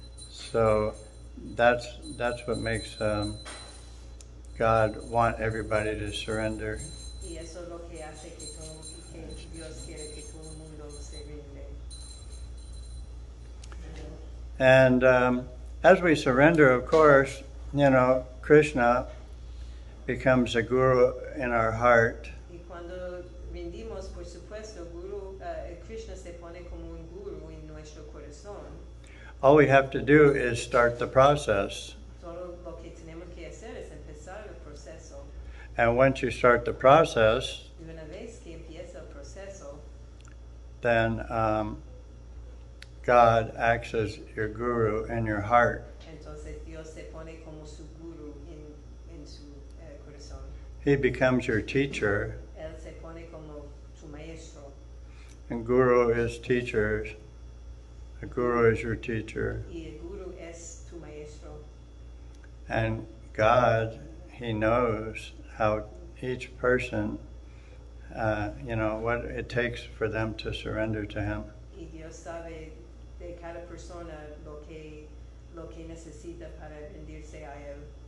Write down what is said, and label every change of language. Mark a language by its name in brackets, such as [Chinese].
[English] So that's what makes God want everybody to surrender. [Spanish] Y eso es lo que hace que Dios quiere que todo el mundo se rinde. [English] And as we surrender, of course, you know, Krishna becomes a guru in our heart. [Spanish] Y cuando rendimos, por supuesto, Krishna se pone como un guru en nuestro corazón. [English] All we have to do is start the process. [Spanish] Todo lo que tenemos que hacer es empezar el proceso. [English] And once you start the process, [Spanish] una vez que empieza el proceso, [English] then God acts as your guru in your heart. [Spanish] Entonces Dios se pone como su guru en su corazón. [English] He becomes your teacher. [Spanish] Él se pone como su maestro. [English] And guru is teachers. A guru is your teacher. [Spanish] Y el guru es tu maestro. [English] And God, he knows how each person, you know, what it takes for them to surrender to him. [Spanish] Y Dios sabe de cada persona lo que necesita para rendirse a él.